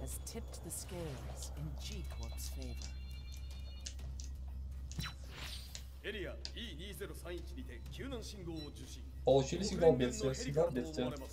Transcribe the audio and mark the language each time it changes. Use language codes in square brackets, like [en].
[en] Has tipped the scales in G-Corp's favor. [ja] Area E2031に点救難信号を受信. [ru] Получили сигнал бедствия, сигнал бедствия.